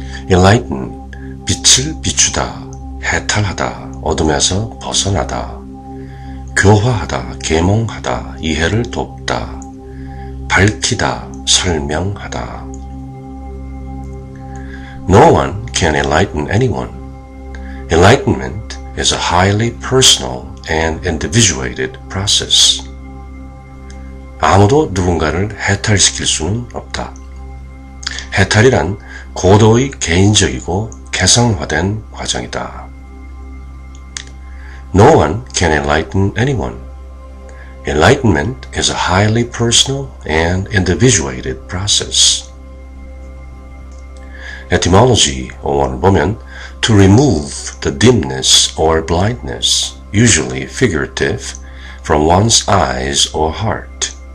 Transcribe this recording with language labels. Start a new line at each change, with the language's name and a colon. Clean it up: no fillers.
Korean: Enlighten, 빛을 비추다, 해탈하다, 어둠에서 벗어나다, 교화하다, 계몽하다, 이해를 돕다, 밝히다, 설명하다.
English: No one can enlighten anyone. Enlightenment is a highly personal and individuated process.
Korean: 아무도 누군가를 해탈시킬 수는 없다. 해탈이란 고도의 개인적이고 개성화된 과정이다.
English: No one can enlighten anyone. Enlightenment is a highly personal and individuated process. Etymology
Korean: 01을 보면
English: to remove the dimness or blindness, usually figurative, from one's eyes or heart.